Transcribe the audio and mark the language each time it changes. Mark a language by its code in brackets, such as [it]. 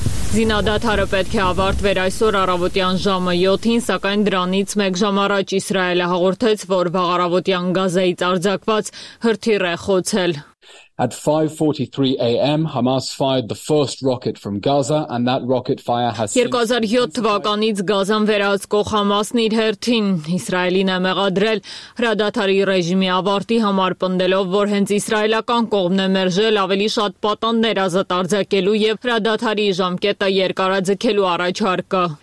[hy] Զինադադարը պետք է ավարտվեր այսօր առավոտյան ժամը 7-ին, սակայն դրանից մեկ ժամ առաջ Իսրայելը հաղորդեց, որ վաղարավոտյան Գազայից արձակված հրթիռ է խոցել։ [en] At 5:43 a.m. Hamas fired the first rocket from Gaza and that rocket fire has [hy] 2007 թվականից Գազան վերահսկող Համասն իր հերթին Իսրայելին է մեղադրել հրադադարի ռեժիմի ավարտի համար, պնդելով, որ հենց իսրայելական կողմն է մերժել ավելի շատ պատաններ ազատ արձակելու եւ հրադադարի ժամկետը երկարաձգելու առաջարկը։